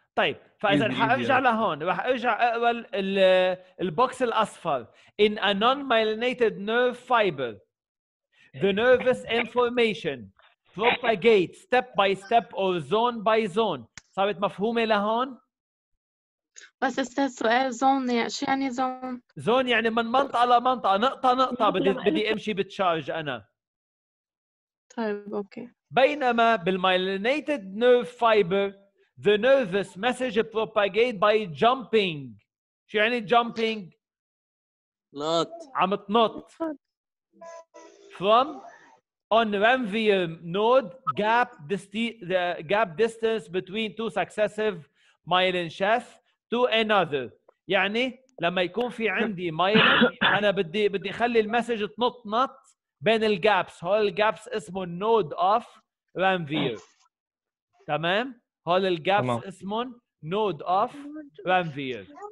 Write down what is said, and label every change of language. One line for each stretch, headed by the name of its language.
Arabic: طيب فإذا هرجع لهون، رح ارجع اول البوكس الاصفر.
English: In a non-myelinated nerve fiber the nervous information propagates step by step or zone by zone.
Arabic: صارت مفهومه لهون؟ بس استاذ سؤال، زون شو يعني؟ زون زون يعني من منطقه لمنطقه، نقطه نقطه بدي امشي بتشارج انا. طيب اوكي.
English: بينما بالmyelinated nerve fiber the nervous message propagate by jumping.
Arabic: شو يعني jumping؟ نط. عم تنط.
English: From on ramvier node gap the gap distance between two successive myelin sheath to another.
Arabic: يعني لما يكون في عندي myelin انا بدي خلي المسج تنط نط بين الجابس. هول الجابس اسمه node of ramvier. تمام؟ هول الجابس اسمهم نود اوف رانفير.